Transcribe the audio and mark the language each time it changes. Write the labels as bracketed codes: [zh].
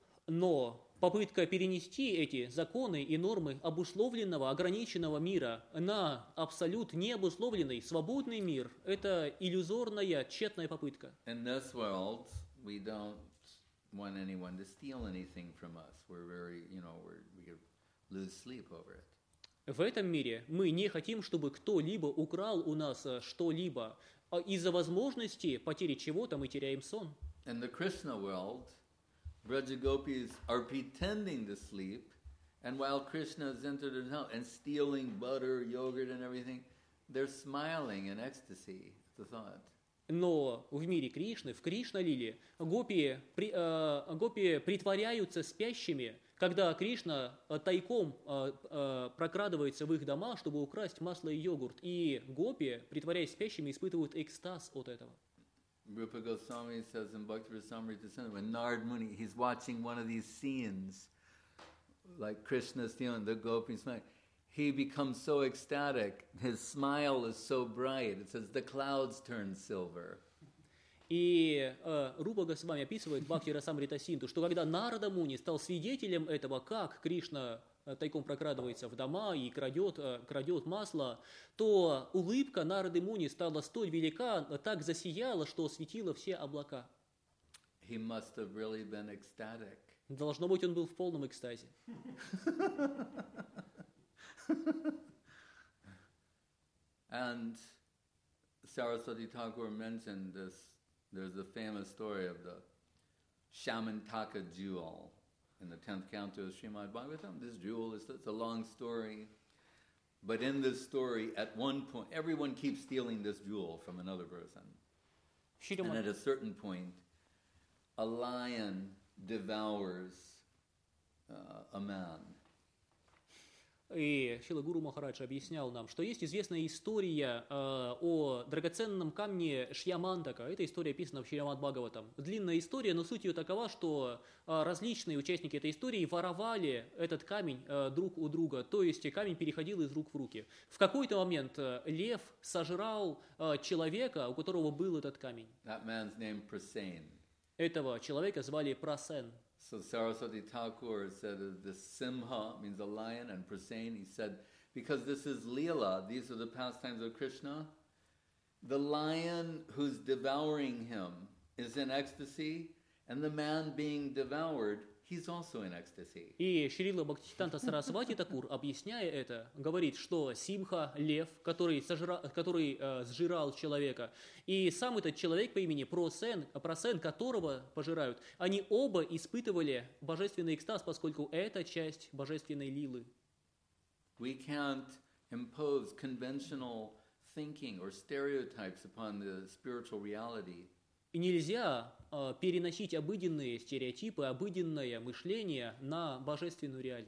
[ru] Но попытка перенести эти законы и нормы обусловленного, ограниченного мира на абсолют необусловленный, свободный мир – это иллюзорная, тщетная попытка. [en] In this world, we don't want anyone to steal anything from us. We're very, you know, we lose sleep over it. [ru] В этом мире мы не хотим, чтобы кто-либо украл у нас что-либо. Из-за возможности потери чего-то мы теряем сон. [en] In the Krishna world, Vrajagopis are pretending to sleep, and while Krishna is entered in hell and stealing butter, yogurt, and everything, they're smiling in ecstasy at the thought. [ru] Но в мире Кришны, в Кришна-лиле, гопи притворяются спящими, когда Кришна тайком прокрадывается в их дома, чтобы украсть масло и йогурт. И гопи, притворяясь спящими, испытывают экстаз от этого. [en] Rupa Goswami says in Bhakti Rasamrita Sanat, when Narad Muni, he's watching one of these scenes, like Krishna stealing the gopi's smile, he becomes so ecstatic, his smile is so bright, it says the clouds turn silver. [ru] И Рупа Госвами описывает Бхакти Расамрита Синду, что когда Нарада Муни стал свидетелем этого, как Кришна тайком прокрадывается в дома и крадет масло, то улыбка Нарады Муни стала столь велика, так засияла, что осветила все облака. [en] He must have really been ecstatic. [ru] Должно быть, он был в полном экстазе. [en] And Saraswati Thakur mentioned this. There's a famous story of the Shamantaka jewel in the 10th canto of Srimad Bhagavatam. This jewel is it's a long story. But in this story, at one point, everyone keeps stealing this jewel from another person. And at a certain point, a lion devours a man. [ru] И Шрила Гуру Махарадж объяснял нам, что есть известная история о драгоценном камне Шьямантака. Эта история описана в Шримад Бхагаватам. Длинная история, но суть ее такова, что различные участники этой истории воровали этот камень друг у друга, то есть камень переходил из рук в руки. В какой-то момент лев сожрал человека, у которого был этот камень. [en] That man's name Prasen. [ru] Этого человека звали Прасен. [en] So Saraswati Thakur said the Simha means a lion and Prasen, he said, because this is Leela, these are the pastimes of Krishna, the lion who's devouring him is in ecstasy, and the man being devoured, he's also in ecstasy. [ru] И Шрила Бхактисиддханта Сарасвати Такур, объясняя это, говорит, что Симха, лев, который сжирал человека, и сам этот человек по имени Прасен, которого пожирают, они оба испытывали божественный экстаз, поскольку это часть божественной лилы. [en] We can't impose conventional thinking or stereotypes upon the spiritual reality. [ru] Нельзя переносить обыденные стереотипы, обыденное мышление на божественную